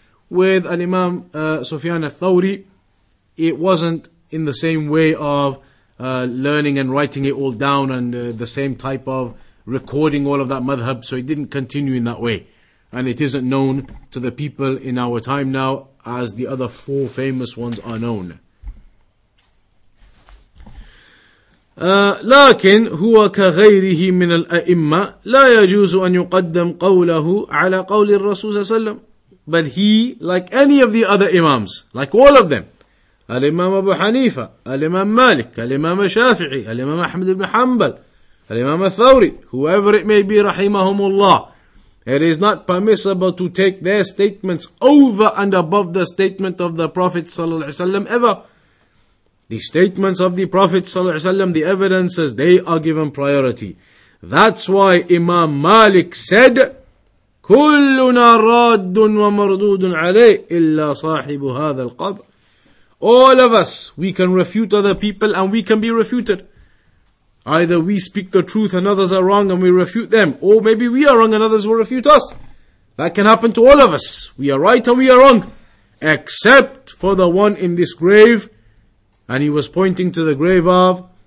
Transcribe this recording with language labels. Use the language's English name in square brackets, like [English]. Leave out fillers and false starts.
[English] With al-Imam Sufyan al-Thawri, it wasn't in the same way of learning and writing it all down and the same type of recording all of that madhab, so it didn't continue in that way. And it isn't known to the people in our time now as the other four famous ones are known. [Arabic] لكن هو كغيره من الأئمة لا يجوز أن يقدم قوله على قول الرسول صلى الله عليه وسلم. [English] But he, like any of the other imams, like all of them, الإمام أبو حنيفة, الإمام مالك, الإمام الشافعي, الإمام أحمد بن حنبل, الإمام الثوري, whoever it may be, [Arabic] رحمهم الله, [English] it is not permissible to take their statements over and above the statement of the Prophet [Arabic] صلى الله عليه وسلم [English] ever. The statements of the Prophet [Arabic] صلى الله عليه وسلم, [English] the evidences, they are given priority. That's why Imam Malik said, [Arabic] كلنا راد ومردود عليه إلا صاحب هذا القبر. [English] All of us, we can refute other people and we can be refuted. Either we speak the truth and others are wrong and we refute them, or maybe we are wrong and others will refute us. That can happen to all of us. We are right and we are wrong, except for the one in this grave. And he was pointing to the grave of